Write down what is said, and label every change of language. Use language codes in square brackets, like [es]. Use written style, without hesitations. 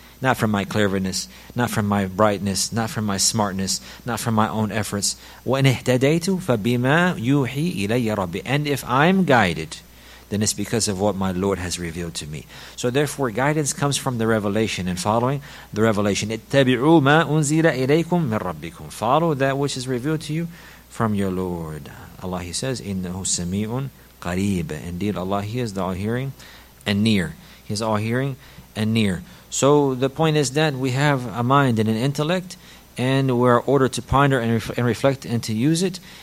[en] Not from my cleverness, not from my brightness, not from my smartness, not from my own efforts. [ar] "Wa ihtadaytu fa bima yuhi ilayya Rabbi." [en] And if I'm guided, then it's because of what my Lord has revealed to me. So therefore, guidance comes from the revelation and following the revelation. [ar] اتبعوا ما أنزل إليكم من ربكم. [en] Follow that which is revealed to you from your Lord. Allah, He says, [ar] إنه سميع قريب. [en] Indeed, Allah, He is the all-hearing and near. He is all-hearing and near. So the point is that we have a mind and an intellect, and we are ordered to ponder and reflect and to use it.